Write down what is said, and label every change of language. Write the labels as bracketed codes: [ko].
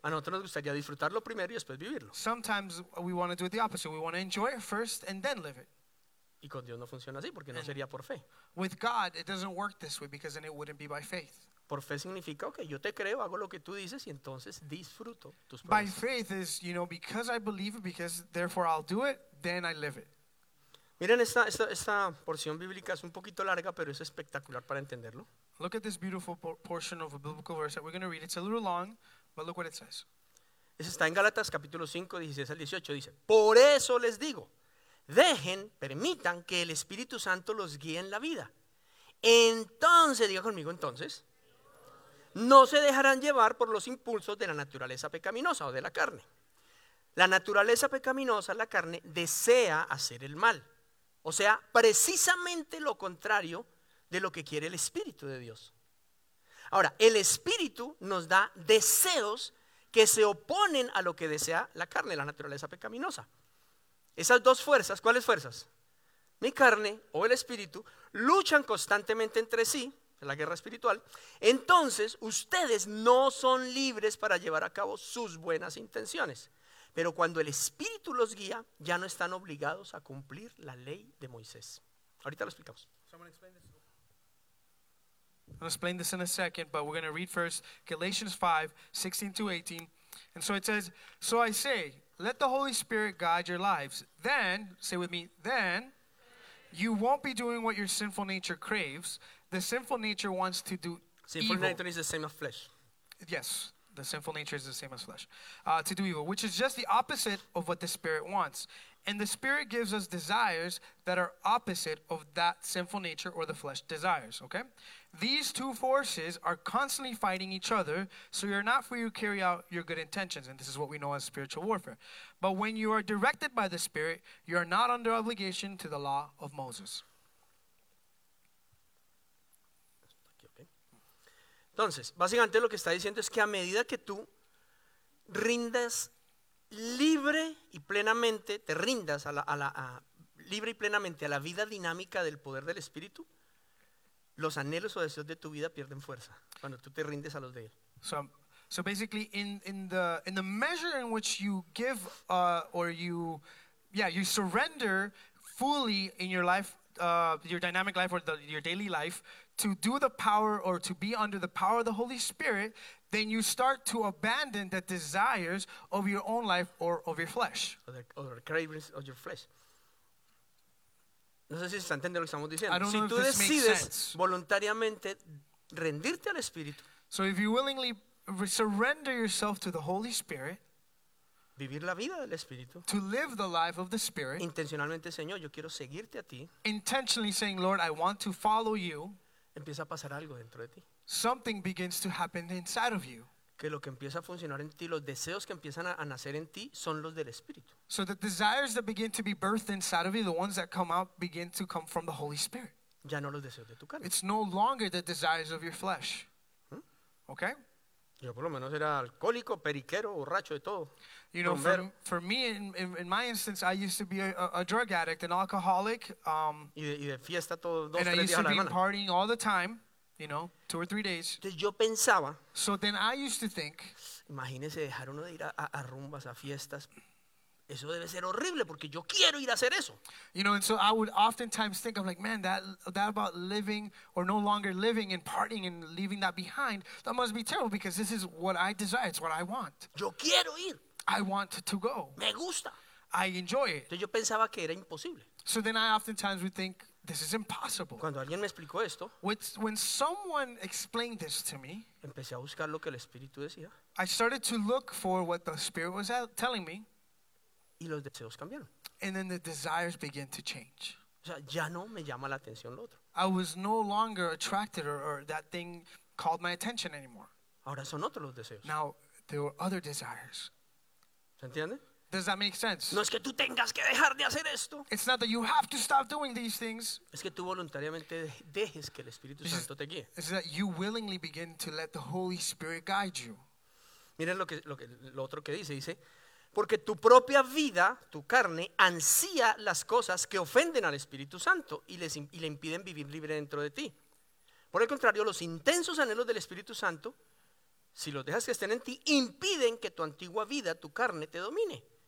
[es] A nosotros nos gustaría disfrutarlo primero y después vivirlo. [en] Sometimes we want to do it the opposite. We want to enjoy it first and then live it. [es] Y con Dios no funciona así porque no sería por fe. [en] With God it doesn't work this way because then it wouldn't be by faith. [es] Por fe significa, okay, yo te creo, hago lo que tú dices y entonces disfruto tus promesas. [en] By faith is, you know, because I believe it, because therefore I'll do it, then I live it. [es] Miren, esta porción bíblica es un poquito larga, pero es espectacular para entenderlo. [en] Look at this beautiful portion of a biblical verse that we're going to read. It's a little long, but look what it says. [es] Es está en Gálatas capítulo 5, 16 al 18. Dice, por eso les digo, dejen, permitan que el Espíritu Santo los guíe en la vida. Entonces, diga conmigo entonces, no se dejarán llevar por los impulsos de la naturaleza pecaminosa o de la carne. La naturaleza pecaminosa, la carne, desea hacer el mal. O sea, precisamente lo contrario de lo que quiere el Espíritu de Dios. Ahora, el Espíritu nos da deseos que se oponen a lo que desea la carne, la naturaleza pecaminosa. Esas dos fuerzas, ¿cuáles fuerzas? Mi carne o el Espíritu luchan constantemente entre sí, en la guerra espiritual. Entonces, ustedes no son libres para llevar a cabo sus buenas intenciones. Pero cuando el Espíritu los guía, ya no están obligados a cumplir la ley de Moisés. Ahorita lo explicamos. [en] I'll explain this in a second, but we're going to read first Galatians 5, 16 to 18. And so it says, so I say, let the Holy Spirit guide your lives. Then, say with me, then you won't be doing what your sinful nature craves. The sinful nature wants to do sinful evil. Sinful nature is the same as flesh. Yes, the sinful nature is the same as flesh. To do evil, which is just the opposite of what the Spirit wants. And the Spirit gives us desires that are opposite of that sinful nature or the flesh desires. Okay? These two forces are constantly fighting each other, so you're not free to carry out your good intentions. And this is what we know as spiritual warfare. But when you are directed by the Spirit, you are not under obligation to the law of Moses. [es] Entonces, básicamente lo que está diciendo es que a medida que tú rindas libre y plenamente, te rindas libre y plenamente a la vida dinámica del poder del Espíritu, los anhelos o deseos de tu vida pierden fuerza cuando tú te rindes a los de él. [en] So basically in the measure in which you give you surrender fully in your life, your dynamic life or your daily life to do the power or to be under the power of the Holy Spirit, then you start to abandon the desires of your own life or of your flesh. Or the cravings of your flesh. [es] No sé si se está entendiendo lo que estamos diciendo. [en] I don't [es] si [en] know [es] tú [en] if this [es] decides [en] makes sense. [es] Voluntariamente rendirte al Espíritu. [en] So if you willingly surrender yourself to the Holy Spirit. [es] Vivir la vida del Espíritu. [en] To live the life of the Spirit. [es] Intencionalmente, Señor, yo quiero seguirte a ti. [en] Intentionally saying, Lord, I want to follow you. [es] Empieza a pasar algo dentro de ti. [en] Something begins to happen inside of you. [es] Que lo que empieza a funcionar en ti, los deseos que empiezan a nacer en ti, son los del Espíritu. [en] So the desires that begin to be birthed inside of you, the ones that come out, begin to come from the Holy Spirit. [es] Ya no los deseos de tu carne. [en] It's no longer the desires of your flesh. Okay? [es] Yo por lo menos era alcohólico, periquero, borracho de todo. [en] You know, for me, in my instance, I used to be a drug addict, an alcoholic. [es] Y de fiesta todo, dos, [en] and [es] tres [en] I used to be [es] semana. [en] Partying all the time. You know, two or three days. [es] Entonces yo pensaba. [en] So then I used to think. [es] Imagínese dejar uno de ir a rumbas, a fiestas. Eso debe ser horrible porque yo quiero ir a hacer eso. [en] You know, and so I would oftentimes think, I'm like, man, that about living or no longer living and partying and leaving that behind, that must be terrible because this is what I desire. It's what I want. [es] Yo quiero ir. [en] I want to go. [es] Me gusta. [en] I enjoy it. [es] Entonces yo pensaba que era imposible. [en] So then I oftentimes would think, this is impossible. [es] Cuando alguien me explicó esto, [en] when someone explained this to me, [es] empecé a buscar lo que el Espíritu decía. [en] I started to look for what the Spirit was telling me. [es] Y los deseos cambiaron. [en] And then the desires began to change. [es] O sea, ya no me llama la atención lo otro. [en] I was no longer attracted or that thing called my attention anymore. [es] Ahora son otros los deseos. [en] Now, there were other desires. [es] ¿Se entiende? [en] Does that make sense? [es] No es que tú tengas que dejar de hacer esto. [en] It's not that you have to stop doing these things. [es] Es que tú voluntariamente dejes que el Espíritu Santo te guíe. [en] It's that you willingly begin to let the Holy Spirit guide you. [es] Miren lo otro que dice. Porque tu propia vida, tu carne, ansía las cosas que ofenden al Espíritu Santo y le impiden vivir libre dentro de ti. Por el contrario, los intensos anhelos del Espíritu Santo, si los dejas que estén en ti, impiden que tu antigua vida, tu carne, te domine.